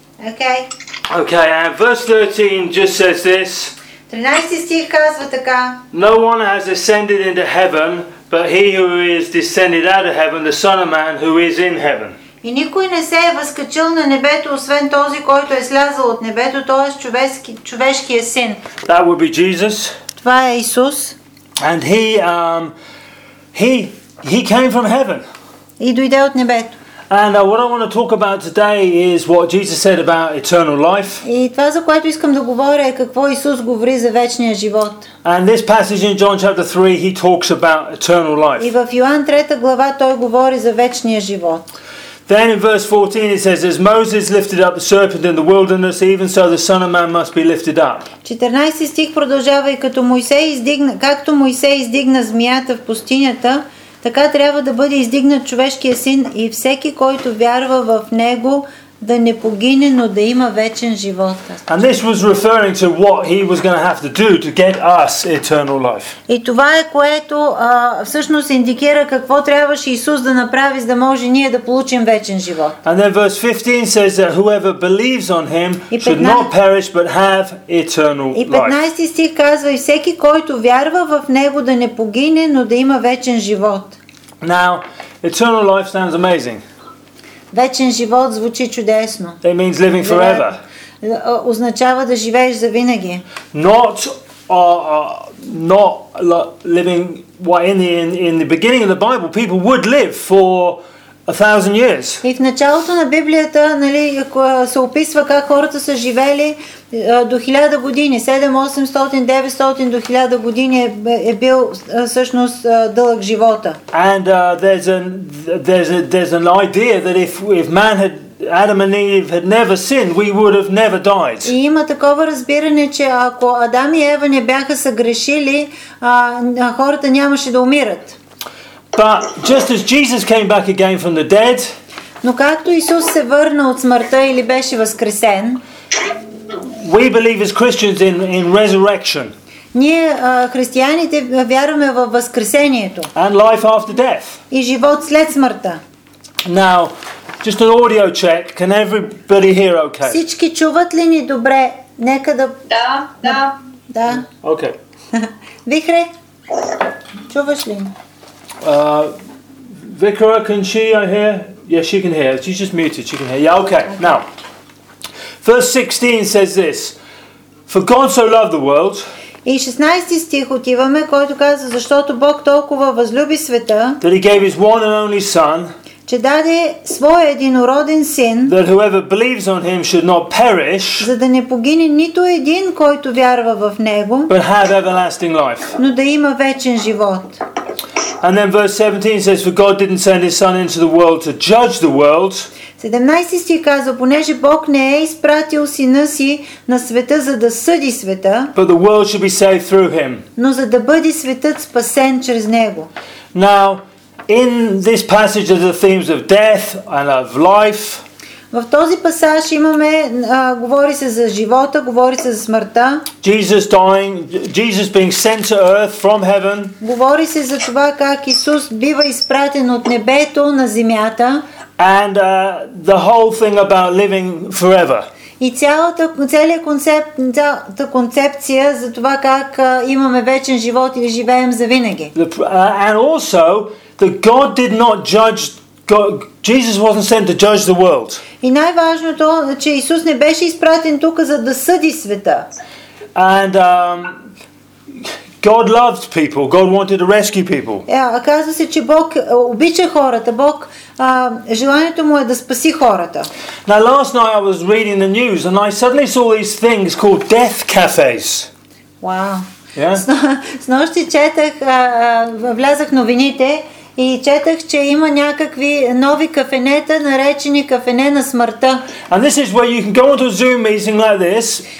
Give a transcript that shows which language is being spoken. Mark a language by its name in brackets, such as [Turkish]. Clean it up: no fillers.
[English] Okay. Okay, and verse 13 just says this. [Bulgarian] 13 стих казва така. [English] No one has ascended into heaven, but he who is descended out of heaven, the Son of Man who is in heaven. [Bulgarian] И никой не се е възкачил на небето, освен този, който е слязал от небето, т.е. човешкия син. [English] That would be Jesus. [Bulgarian] Това е Исус. [English] And he came from heaven. [Bulgarian] И дойде от небето. [English] And what I want to talk about today is what Jesus said about eternal life. [Bulgarian] И това, за което искам да говоря, е какво Исус говори за вечния живот. [English] And this passage in John chapter 3, he talks about eternal life. [Bulgarian] И в Йоан 3 глава той говори за вечния живот. [English] Then in verse 14 it says, as Moses lifted up the serpent in the wilderness, even so the Son of Man must be lifted up. [Bulgarian] 14 стих продължава и както Моисей издигна змията в пустинята, така трябва да бъде издигнат човешкия син и всеки, който вярва в него, да не погине, но да има вечен живот. [English] And this was referring to what he was going to have to do to get us eternal life. [Bulgarian] И това е което всъщност индикира какво трябваше Исус да направи, за да може ние да получим вечен живот. [English] And then verse 15 says that whoever believes on him should not perish but have eternal life. [Bulgarian] И 15 стих казва и всеки, който вярва в него, да не погине, но да има вечен живот. [English] Now, eternal life sounds amazing. [Bulgarian] Вечен живот звучи чудесно. [English] It means living forever. [Bulgarian] Означава да живееш завинаги. [English] Not living what in the beginning of the Bible people would live for 1000 years. [Bulgarian] И в началото на Библията, нали, се описва как хората са живели до 1000 години, 700, 800, 900 до 1000 години е бил всъщност дълъг живота. [English] And there's an idea that if man had Adam and Eve had never sinned, we would have never died. [Bulgarian] И има такова разбиране, че ако Адам и Ева не бяха съгрешили, хората нямаше да умират. [English] But just as Jesus came back again from the dead, [Bulgarian] но както Исус се върна от смъртта или беше възкресен, [English] we believe as Christians in resurrection. [Bulgarian] Ние християните вярваме във възкресението. [English] And life after death. [Bulgarian] И живот след смъртта. [English] Now, just an audio check. Can everybody hear okay? [Bulgarian] Всички чуват ли ни добре? Нека да. Да, да. Да. [English] Okay. [Bulgarian] Вихре, чуваш ли? [English] Vikra, can she hear? Yeah, she can hear. She's just muted. She can hear. Yeah, okay. Now, verse 16 says this. For God so loved the world. [Bulgarian] И 16 стих отиваме, който казва, защото Бог толкова възлюби света, [English] that he gave his one and only son, [Bulgarian] че даде своя единороден син, [English] that whoever believes on him should not perish, [Bulgarian] за да не погине нито един, който вярва в него, [English] but have everlasting life, [Bulgarian] но да има вечен живот. [English] And then verse 17 says, for God didn't send his son into the world to judge the world. [Bulgarian] 17 стих казва, понеже Бог не е изпратил сина си на света, за да съди света, [English] but the world should be saved through him. [Bulgarian] Но за да бъде светът спасен чрез него. [English] Now, in this passage are the themes of death and of life. [Bulgarian] В този пасаж имаме, говори се за живота, говори се за смъртта. [English] Jesus dying, Jesus being sent to earth from heaven. [Bulgarian] Говори се за това как Исус бива изпратен от небето на земята. [English] And the whole thing about living forever. [Bulgarian] И цялата концепция за това как имаме вечен живот или живеем завинаги. [English] And also that God did not judge God, Jesus wasn't sent to judge the world. [Bulgarian] И най-важното, че Исус не беше изпратен тук за да съди света. [English] And God loved people. God wanted to rescue people. [Bulgarian] Казва се, че Бог обича хората. Бог желанието му е да спаси хората. [English] Now last night I was reading the news and I suddenly saw these things called death cafes. Wow. Yeah. [Bulgarian] Снощи четах, влязах новините и четах, че има някакви нови кафенета, наречени кафене на смъртта. [English] And this is where you can go into a Zoom meeting like this.